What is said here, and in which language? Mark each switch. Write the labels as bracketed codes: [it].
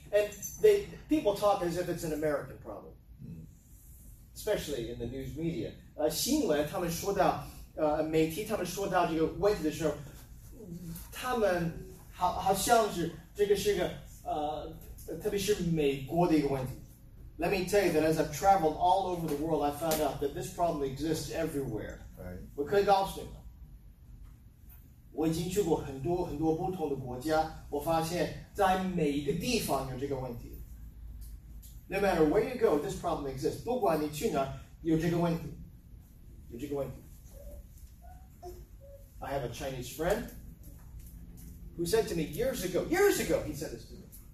[en] and people talk as if it's an American problem, especially in the news media. [zh] 新闻他们说到媒体他们说到这个问题的时候，他们好像是这个是个特别是美国的一个问题。 [en] Let me tell you that as I've traveled all over the world, I found out that this problem exists everywhere. Right. [zh] 我可以告诉你们，我已经去过很多很多不同的国家，我发现在每一个地方有这个问题。 [en] No matter where you go, this problem exists. [zh] 不管你去哪儿，有这个问题，有这个问题。 [en] I have a Chinese friend who said to me years ago, he said this to me.